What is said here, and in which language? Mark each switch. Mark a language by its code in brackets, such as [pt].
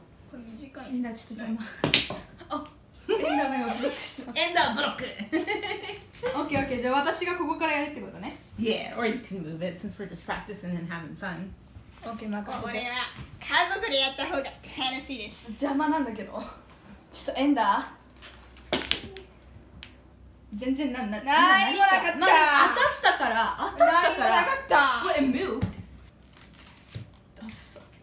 [ja] これ短い。エンダーちょっと邪魔。あっ、エンダーが今ブロックした。エンダーブロック。オッケーオッケー、じゃあ私がここからやるってことね。 [en] Yeah, or you can move it since we're just practicing and having fun. [ja] Okay, まあ、ここれは家族でやった方が楽しいです。邪魔なんだけど、ちょっとエンダー全然なんな何もなかった、まあ、当たったから、当たったから、何もなかった。 [en] What, it moved? [ja] だっさ。